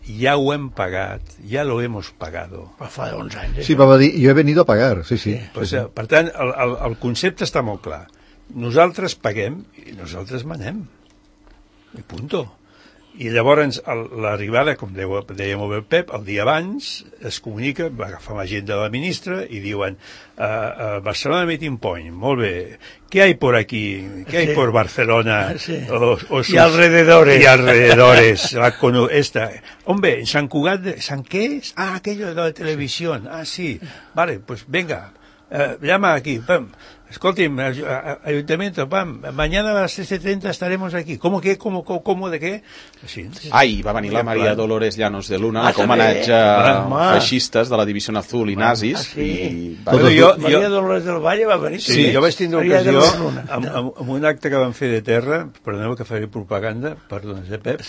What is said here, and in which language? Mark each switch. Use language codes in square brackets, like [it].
[ca] ja ho hem pagat, [es] ja lo hemos pagado. [ca] Va fa 11 anys. Sí, va dir, jo [es] he venido a pagar, [ca] sí. Pues, sí. Per tant, el concepte està molt clar. Nosaltres paguem i nosaltres manem. I punto. I llavors l'arribada, com deia molt bé el Pep, el dia abans es comunica, agafa la gent de la ministra i diuen Barcelona Meeting Point, molt bé, què hi ha per aquí? Què hi ha per Barcelona? [es] I alrededores. I alrededores. Esta. Hombre, en Sant Cugat, ¿San qué es? Ah, aquello de la televisió. Ah, sí. Vale, pues venga, llama aquí, pam. [ca] Escolti'm, [es] ajuntamiento, pam, mañana a las 6:30 estaremos aquí. ¿Cómo qué? ¿Cómo de qué? Sí. [ca] Ai, va venir la Maria Dolores Llanos de Luna, com homenatge a feixistes de la Divisió Azul i nazis. Ah, sí. Maria Dolores del Valle va venir. Sí, jo vaig tindre ocasió, amb un acte que vam fer de terra, perdoneu que faré propaganda, perdona, Pep.